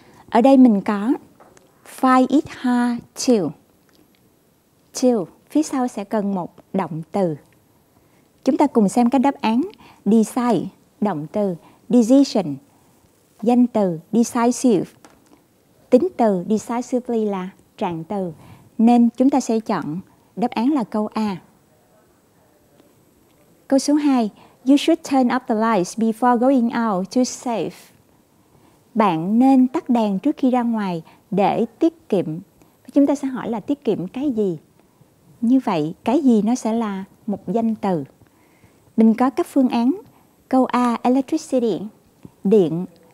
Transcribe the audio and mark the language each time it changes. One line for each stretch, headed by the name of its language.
Vietnamese: Ở đây mình có
English: find it hard to,
Vietnamese: phía sau sẽ cần một động từ. Chúng ta cùng xem các đáp án: decide, động từ; decision, danh từ; decisive, tính từ; decisively là trạng từ. Nên chúng ta sẽ chọn đáp án là câu A. Câu số 2,
English: you should turn off the lights before going out to save.
Vietnamese: Bạn nên tắt đèn trước khi ra ngoài để tiết kiệm. Chúng ta sẽ hỏi là tiết kiệm cái gì? Như vậy, cái gì nó sẽ là một danh từ. Mình có các phương án. Câu A, electricity, điện.